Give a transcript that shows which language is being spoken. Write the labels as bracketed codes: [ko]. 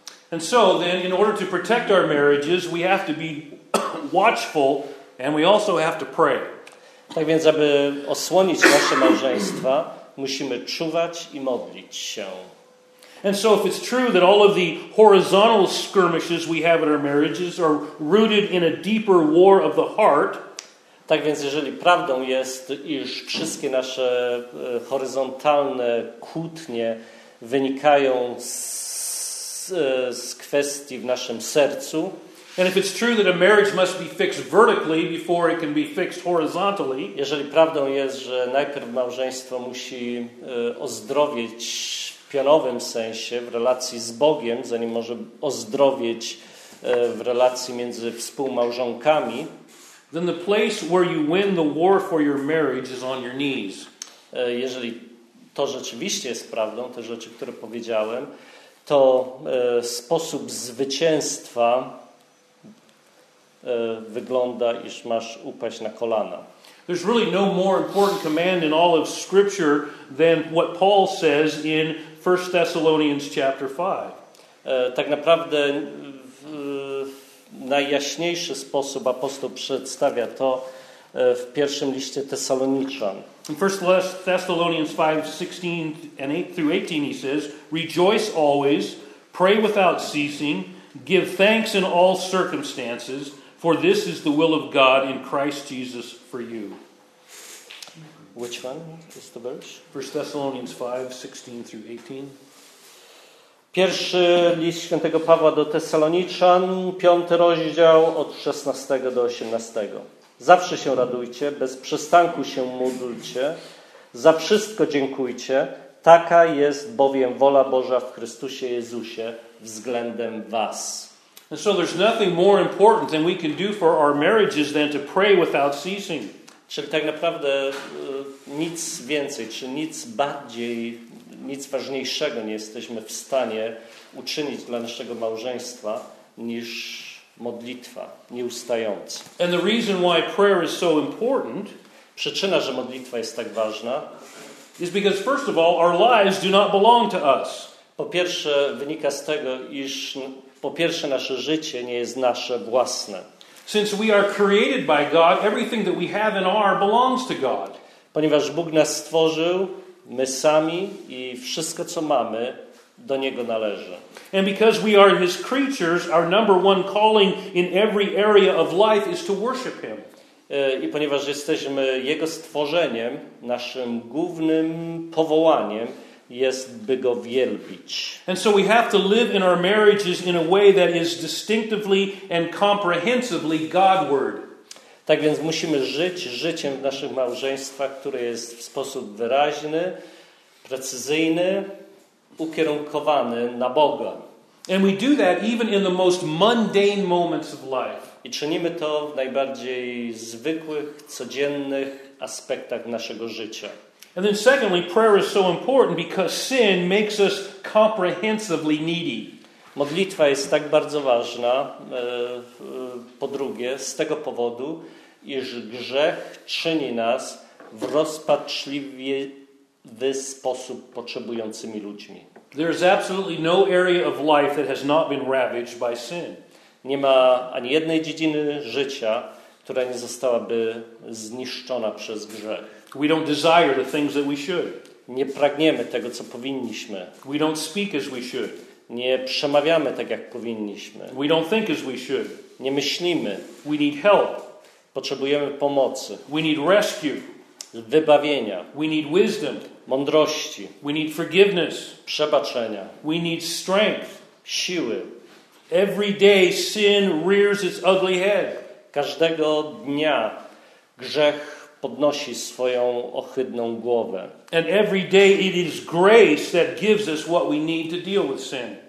[en] And so then in order to protect our marriages, we have to be watchful and we also have to pray. [pl] Tak więc, aby osłonić nasze małżeństwa, musimy czuwać i modlić się. [en] And so if it's true that all of the horizontal skirmishes we have in our marriages are rooted in a deeper war of the heart, [pl] tak więc jeżeli prawdą jest, iż wszystkie nasze horyzontalne kłótnie wynikają z kwestii w naszym sercu, [en] and if it's true that a marriage must be fixed vertically before it can be fixed horizontally, [pl] jeżeli prawdą jest, że najpierw małżeństwo musi ozdrowieć w pionowym sensie, w relacji z Bogiem, zanim może ozdrowieć w relacji między współmałżonkami, [en] then the place where you win the war for your marriage is on your knees. [pl] Jeżeli to rzeczywiście jest prawdą, te rzeczy, które powiedziałem, to sposób zwycięstwa wygląda, iż masz upaść na kolana. [en] There's really no more important command in all of Scripture than what Paul says in 1 Thessalonians chapter 5. [pl] Tak naprawdę w najjaśniejszy sposób apostoł przedstawia to w pierwszym liście Tesaloniczan. [en] In 1 Thessalonians 5:16 and 8-18 he says, "Rejoice always, pray without ceasing, give thanks in all circumstances, for this is the will of God in Christ Jesus for you." Which one is the verse? 1 Thessalonians 5:16-18. [pl] Pierwszy list świętego Pawła do Tesaloniczan, 5 rozdział od 16 do 18. Zawsze się radujcie, bez przestanku się módlcie, za wszystko dziękujcie, taka jest bowiem wola Boża w Chrystusie Jezusie względem was. [en] And so there's nothing more important than we can do for our marriages than to pray without ceasing. [pl] Czyli tak naprawdę nic więcej, czy nic bardziej, nic ważniejszego nie jesteśmy w stanie uczynić dla naszego małżeństwa niż modlitwa nieustająca. [en] And the reason why prayer is so important, [pl] przyczyna, że modlitwa jest tak ważna, [en] is because first of all our lives do not belong to us. [pl] Po pierwsze wynika z tego, iż po pierwsze nasze życie nie jest nasze własne. [en] Since we are created by God, everything that we have and are belongs to God. [pl] Ponieważ Bóg nas stworzył, my sami i wszystko co mamy do Niego należy. [en] And because we are His creatures, our number one calling in every area of life is to worship Him. [pl] I ponieważ jesteśmy Jego stworzeniem, naszym głównym powołaniem jest, by Go wielbić. [en] And so we have to live in our marriages in a way that is distinctively and comprehensively Godward. [pl] Tak więc musimy żyć życiem w naszych małżeństwach, które jest w sposób wyraźny, precyzyjny, ukierunkowany na Boga. [en] And we do that even in the most mundane moments of life. [pl] I czynimy to w najbardziej zwykłych, codziennych aspektach naszego życia. [en] And then secondly, prayer is so important because sin makes us comprehensively needy. [pl] Modlitwa jest tak bardzo ważna, po drugie, z tego powodu, iż grzech czyni nas w rozpaczliwy sposób potrzebującymi ludźmi. [en] There is absolutely no area of life that has not been ravaged by sin. [pl] Nie ma ani jednej dziedziny życia, która nie zostałaby zniszczona przez grzech. [en] We don't desire the things that we should. [pl] Nie pragniemy tego, co powinniśmy. [en] We don't speak as we should. [pl] Nie przemawiamy tak, jak powinniśmy. [en] We don't think as we should. [pl] Nie myślimy. [en] We need help. [pl] Potrzebujemy pomocy. [en] We need rescue. [pl] Wybawienia. [en] We need wisdom. [pl] Mądrości. [en] We need forgiveness. [pl] Przebaczenia. [en] We need strength. [pl] Siły. [en] Every day sin rears its ugly head. [pl] Każdego dnia grzech podnosi swoją ohydną głowę. [en] And every day it is grace that gives us what we need to deal with sin.